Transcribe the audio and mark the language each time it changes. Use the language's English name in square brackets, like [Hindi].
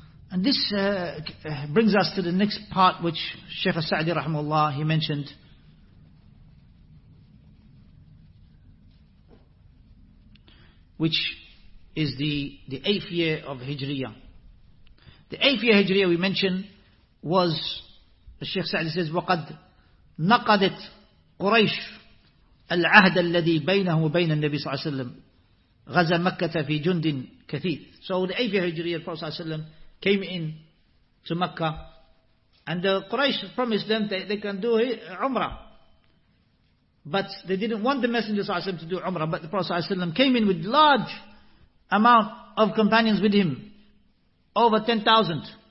[English] And this brings us to the next part, which Shaykh As-Sa'di rahimahullah, he mentioned. Which is the 8th year of Hijriyah. The 8th year Hijriyah we mentioned was, as Shaykh Sa'di says, [Arabic] وَقَدْ نَقَدَتْ قُرَيْشْ الْعَهْدَ الَّذِي بَيْنَهُ وَبَيْنَ النَّبِي صَلَّى اللَّهُ عَلَيْهِ وَسَلَّمْ غَزَى مَكَّةَ فِي جُنْدٍ كَثِيرٍ. [English] So the 8th year Hijriyah, the Prophet صلى الله عليه وسلم came in to Mecca, and the Quraysh promised them that they can do Umrah. But they didn't want the Messenger صلى الله عليه وسلم to do Umrah, but the Prophet صلى الله عليه وسلم came in with large amount of companions with him, over 10,000.